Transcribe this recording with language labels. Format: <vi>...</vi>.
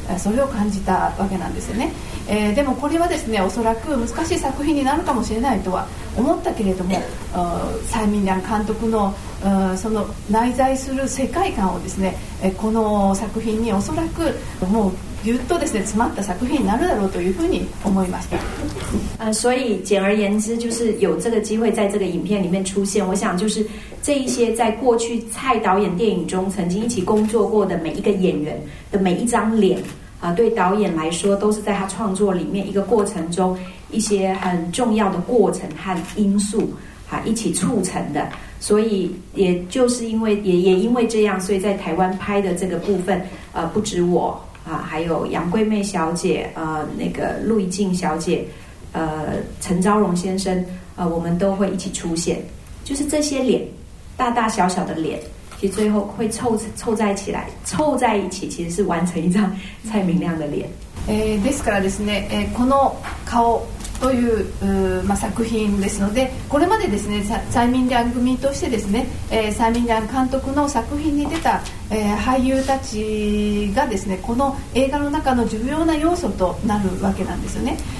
<ja>それを感じたわけなんですよね。でもこれはですね、おそらく難しい作品になるかもしれないとは思ったけれども、蔡明亮監督のその内在する世界観をですね、この作品におそらくもうギュッとですね、詰まった作品になるだろうというふうに思いました。</ja> <zh>所以简而言之，就是有这个机会在这个影片里面出现，我想就是这一些在过去蔡导演电影中曾经一起工作过的每一个演员的每一张脸啊，对导演来说都是在他创作里面一个过程中一些很重要的过程和因素啊一起促成的。所以也就是因为也因为这样，所以在台湾拍的这个部分，不止我啊，还有杨贵妹小姐，那个陆怡静小姐，陈昭荣先生，我们都会一起出现。就是这些脸，大大小小的脸，其实最后会凑在一起，其实是完成一张蔡明亮的脸。</zh> <ja>ですからですね、この顔という、作品ですので、これまでですね、蔡明亮組としてですね、蔡明亮監督の作品に出た、俳優たちがですね、この映画の中の重要な要素となるわけなんですよね。</ja>